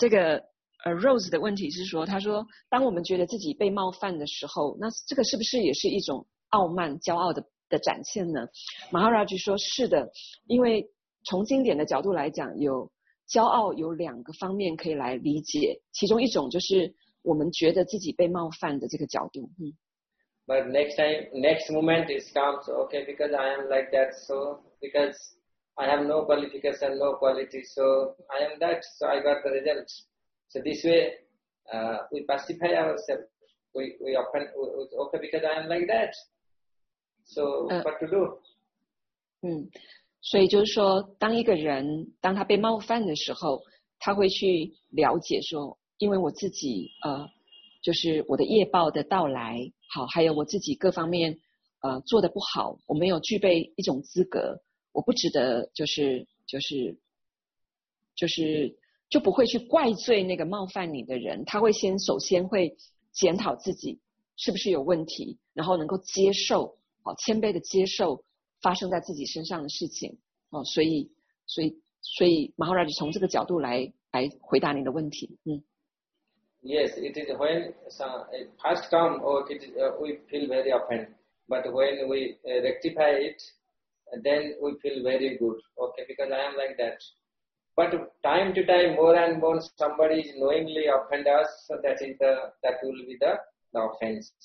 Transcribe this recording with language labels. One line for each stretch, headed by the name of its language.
Chinese: 这个Rose 的问题是说他说当我们觉得自己被冒犯的时候那这个是不是也是一种傲慢骄傲 的展现呢 Maharaj 说是的因为从经典的角度来讲有骄傲有两个方面可以来理解其中一种就是我们觉得自己被冒犯的这个角度嗯。
English: But next time, next moment it comes, okay, because I am like that, so, because I have no qualification, no quality, so I am that, so I got the result. So this way, we pacify ourselves. We open, okay, because I am like that. So, what to do?
Chinese: 所以就是说，当一个人，当他被冒犯的时候，他会去了解说，因为我自己，就是我的业报的到来好还有我自己各方面做得不好我没有具备一种资格我不值得就不会去怪罪那个冒犯你的人他会先首先会检讨自己是不是有问题然后能够接受好谦卑的接受发生在自己身上的事情好所以马浩然就从这个角度来回答你的问题嗯。
English: Yes, it is when first come, we feel very offended. But when we rectify it, then we feel very good. Okay, because I am like that. But time to time, more and more, somebody is knowingly offend us, so that will be the offense.